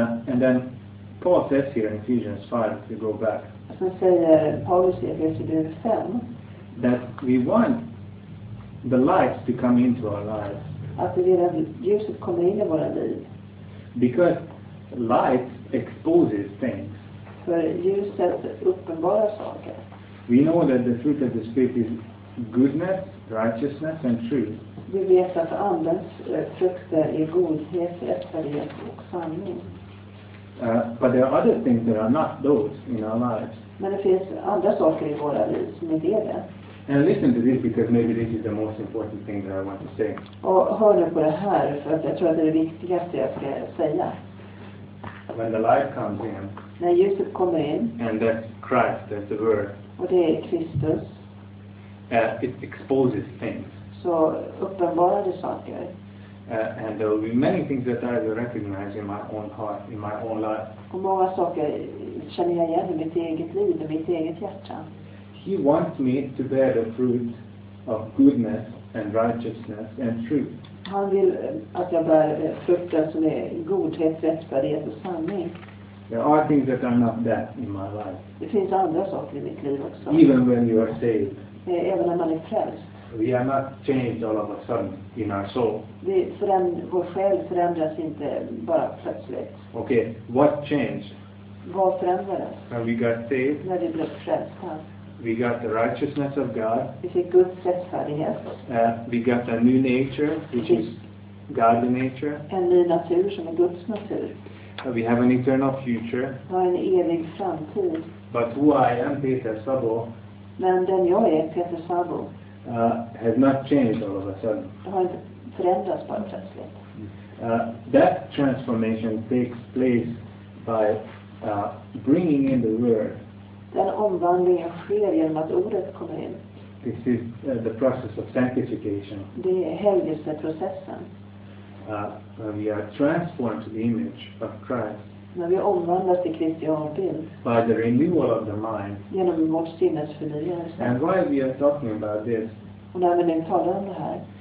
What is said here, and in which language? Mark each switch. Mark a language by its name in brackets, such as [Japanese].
[English] And then Paul says here in Ephesians 5, if you go back. [Swedish] Så säger Paulus i Ephesians 5. [English] That we want the light to come into our lives. [Swedish] Att vi vill att ljuset kommer in i våra liv. [English] Because light exposes things. [Swedish] För ljuset uppenbara saker. [English] We know that the fruit of the Spirit is goodness, righteousness and truth. [Swedish] Vi vet att andens frukter är godhet, rättfärdighet och sanning. [English] But there are other things that are not those in our lives. [Swedish] Men det finns andra saker i våra liv som inte är det. [English] And listen to this because maybe this is the most important thing that I want to say. [Swedish] Och hör nu på det här för att jag tror att det är det viktigaste jag ska säga. [English] When the light comes in. [Swedish] När ljuset kommer in. [English] And that's Christ, that's the Word. [Swedish] Och det är Kristus. [English] It exposes things. [Swedish] Så uppenbarar det saker. [English] And there will be many things that I will recognize in my own heart, in my own life. [Swedish] Och många saker känner jag igen i mitt eget liv och mitt eget hjärta. [English] He wants me to bear the fruit of goodness and righteousness and truth. [Swedish] Han vill att jag bär frukten som är godhet, rättfärdighet och sanning. [English] There are things that are not that in my life. [Swedish] Det finns andra saker i mitt liv också. [English] Even when you are saved. [Swedish] Även när man är frälst. [English] We are not changed all of a sudden in our soul. [Swedish] Vår själ förändras inte bara plötsligt. [English] Okay, what changed? [Swedish] Vad förändrades? [English] When we got saved. [Swedish] När vi blev frälsta. [English] We got the righteousness of God. [Swedish] Is it good rättfärdighet? [English] We got a new nature, which is godly nature. [Swedish] En ny natur som är Guds natur. [English] We have an eternal future. [Swedish] Och en evig framtid. [English] But who I am, Peter Sabo. [Swedish] Men den jag är, Peter Sabo. [English] Has not changed all of a sudden. [Swedish] Det har inte förändrats bara plötsligt. [English] That transformation takes place by bringing in the Word. [Swedish] Den omvandlingen sker genom att ordet kommer in. [English] This is the process of sanctification. [Swedish] Det är helgelseprocessen. [English] When we are transformed to the image of Christ. [Swedish] När vi omvandlas till Kristi avbild. [English] By the renewal of the mind. [Swedish] Genom vårt sinnes förnyelse. [English] And why we are talking about this. [Swedish] Och när vi nu talar om det här.